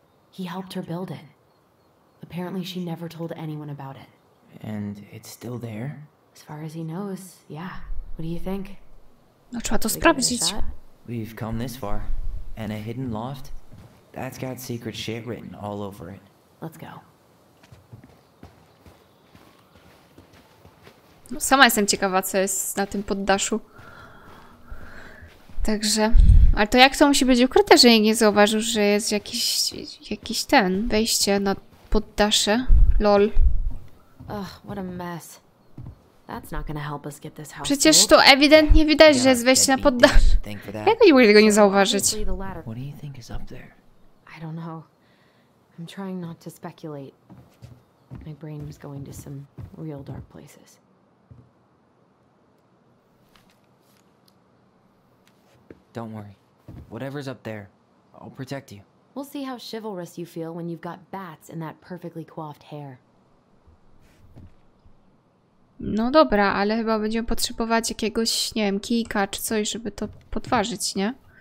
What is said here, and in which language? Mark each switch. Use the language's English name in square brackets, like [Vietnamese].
[English] He helped her build it. Apparently, she never told anyone about it. And it's still there? As far as he knows, yeah. What do you think? [Polish] No, trzeba to sprawdzić. [English] We've come this far. And a hidden loft? That's got secret shit written all over it. Let's go. [Polish] No, sama jestem ciekawa, co jest na tym poddaszu. Także... Ale to jak to musi być ukryte, że nikt nie zauważył, że jest jakiś ten wejście na poddasze? [English] Lol. Ugh, what a mess. That's not gonna help us get this house. [Polish] Przecież to ewidentnie widać, że jest wejście na poddasze. Jak oni mogli tego nie zauważyć? [English] What do you think is up there? I don't know. I'm trying not to speculate. My brain was going to some real dark places. Don't worry. Whatever's up there, I'll protect you. We'll see how chivalrous you feel when you've got bats in that perfectly coiffed hair. [Polish] No dobra, ale chyba będziemy potrzebować jakiegoś, nie wiem, kijka czy coś, żeby to podważyć, nie?